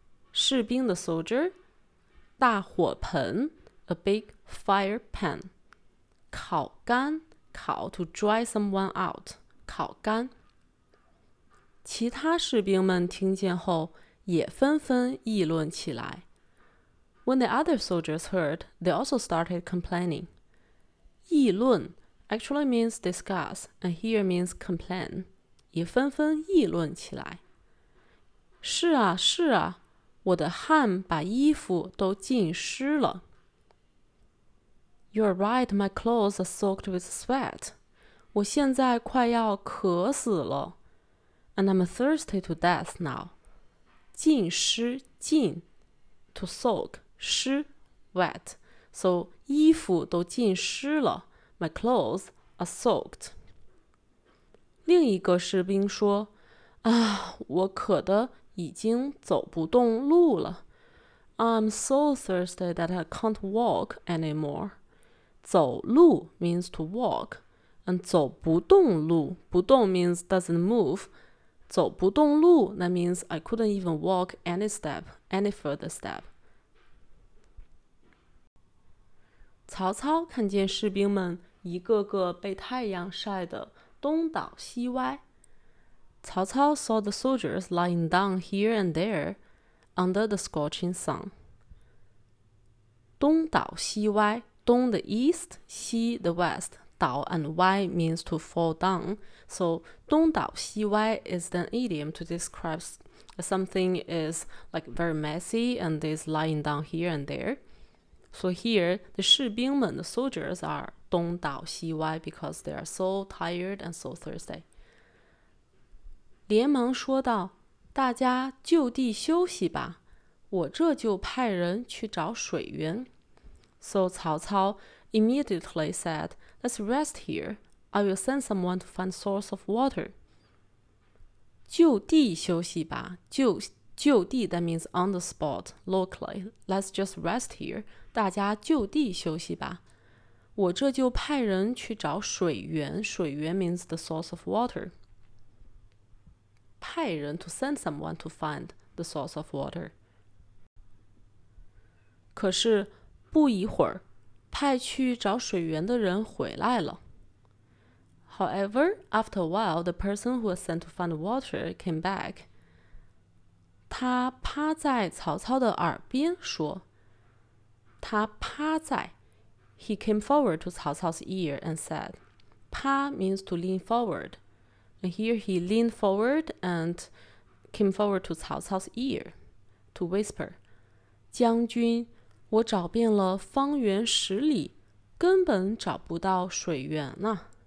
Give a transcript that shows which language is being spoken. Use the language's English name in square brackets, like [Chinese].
[English] 士兵的 soldier, 大火盆 a big fire pan, 烤干烤 to dry someone out, 烤干。 [Chinese] 其他士兵们听见后也纷纷议论起来。 [English] When the other soldiers heard, they also started complaining. [Chinese] 议论 [English] actually means discuss, and here means complain, [Chinese] 也纷纷议论起来。是啊是啊我的汗把衣服都浸湿了。 [English] You're right, my clothes are soaked with sweat. [Chinese] 我现在快要渴死了。 [English] And I'm thirsty to death now. 浸湿浸 to soak, 湿 wet. So, [Chinese] 衣服都浸湿了。 [English] My clothes are soaked. [Chinese] 另一个士兵说，啊，我渴得已经走不动路了。 [English] I'm so thirsty that I can't walk anymore. 走路 means to walk, and 走不动路，不动 means doesn't move. 走不动路 that means I couldn't even walk any step, any further step. [Chinese] 曹操看见士兵们一个个被太阳晒得东倒西歪。 [English] 曹操 saw the soldiers lying down here and there under the scorching sun. 东倒西歪 东 the east, 西 the west. 倒 and 歪 means to fall down. So 东倒西歪 is an idiom to describe something is like very messy and is lying down here and there. So here, the 士兵们 the soldiers are 东倒西歪 because they are so tired and so thirsty. [Chinese] 连忙说道，大家就地休息吧，我这就派人去找水源。 [English] So 曹操 immediately said, Let's rest here. I will send someone to find source of water. [Chinese] 就地休息吧， [English] 就地 that means on the spot, locally. Let's just rest here. [Chinese] 大家就地休息吧，我这就派人去找水源。 [English] 水源 means the source of water. 派人 to send someone to find the source of water. [Chinese] 可是不一会儿派去找水源的人回来了。 [English] However, after a while, the person who was sent to find water came back. [Chinese] 他趴在曹操的耳边说他趴在 [English] He came forward to 曹操's ear and said, 趴 means to lean forward. And here he leaned forward and came forward to Cao Cao's ear to whisper, [Chinese] 将军，我找遍了方圆十里，根本找不到水源呐。